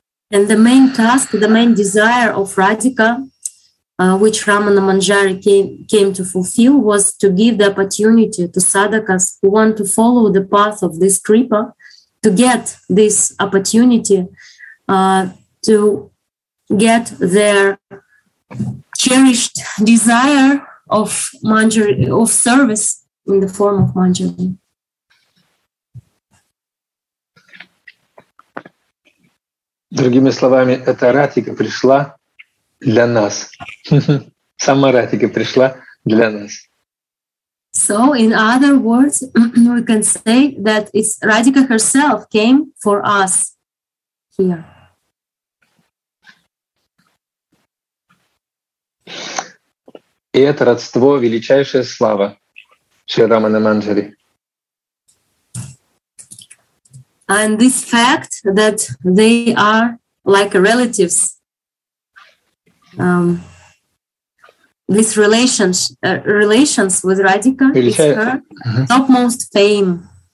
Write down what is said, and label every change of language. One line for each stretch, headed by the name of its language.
English: And the main task, the main desire of Radhika, which Ramana Manjari came to fulfill, was to give the opportunity to sadhakas who want to follow the path of this Kripa, to get this opportunity, to get their cherished desire of Manjari, of service in the form of Manjari.
Russian: Другими словами, эта Радхика пришла для нас. Сама Радхика пришла для нас.
English: So, in other words, we can say that it's Radhika herself came for us here.
Russian: И это родство — величайшая слава Шри Рамана Манджари.
English: And this fact that they are like relatives, this relations with Radhika is her topmost fame.